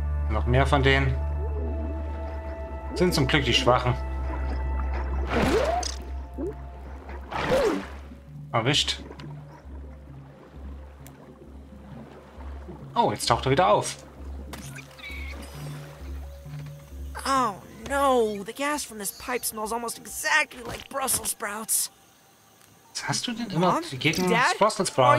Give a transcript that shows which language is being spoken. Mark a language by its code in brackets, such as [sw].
[de] Noch mehr von denen. Sind zum Glück die Schwachen. Erwischt. Oh, jetzt taucht er wieder auf. [en] Oh, the gas from this pipe smells almost exactly like Brussels sprouts. [de] Was hast du denn immer gegen [en] Brussels sprouts?